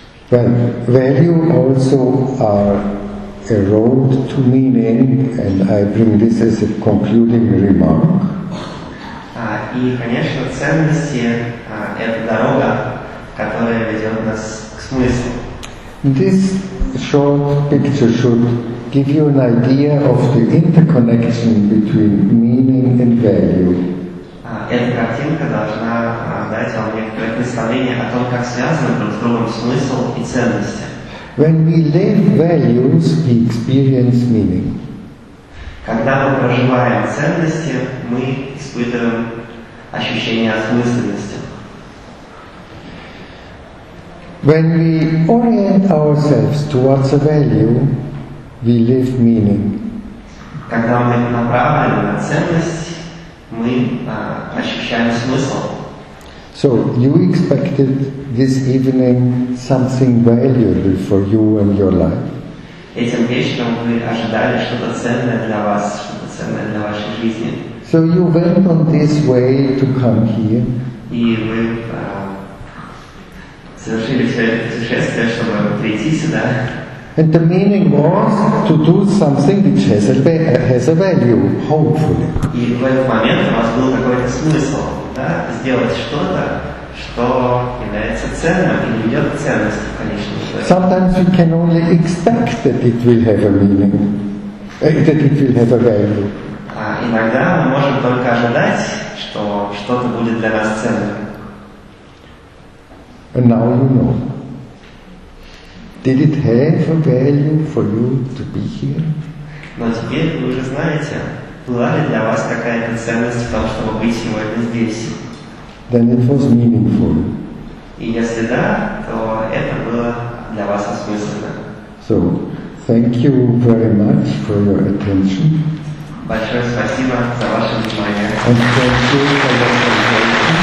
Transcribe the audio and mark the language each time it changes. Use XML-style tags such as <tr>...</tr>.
<en>Well, value also are a road to meaning, and I bring this as a concluding remark.</en> <ru>И, конечно, ценности это дорога, которая ведет нас к смыслу.</ru> <en>This short picture should give you an idea of the interconnection between meaning and value.</en> <ru>Эта картинка должна дать вам некоторое представление о том, как связаны друг с другом смысл и ценности.</ru> <en>When we live values, we experience meaning.</en> <ru>Когда мы проживаем ценности, мы испытываем ощущение осмысленности.</ru> <en>When we orient ourselves towards a value, we live meaning.</en> <ru>Когда мы направлены на ценность, мы ощущаем смысл.</ru> <en>So you expected this evening something valuable for you and your life.</en> <ru>Этим вечером вы ожидали что-то ценное для вас, что-то ценное для вашей жизни.</ru> <en>So you went on this way to come here.</en> <ru>И вы совершили все это путешествие, чтобы прийти сюда.</ru> <en>And the meaning was to do something which has a value, hopefully.</en> <ru>И в этот момент у вас был какой-то смысл. Да, сделать что-то, что является ценным и ведет ценность в конечном счете.</ru> <en>Sometimes we can only expect that it will have a meaning, that it will have a value.</en> <ru>А иногда мы можем только ожидать, что что-то будет для нас ценным.</ru> <en>And now you know. Did it have a value for you to be here?</en> <ru>Но теперь вы уже знаете. Была ли для вас какая-то ценность в том, чтобы быть сегодня здесь?</ru> <en>Then it was meaningful.</en> <ru>И если да, то это было для вас осмысленно.</ru> <en>So, thank you very much for your attention.</en> <ru>Большое спасибо за ваше внимание.</ru> <en>And thank you for your attention.</en>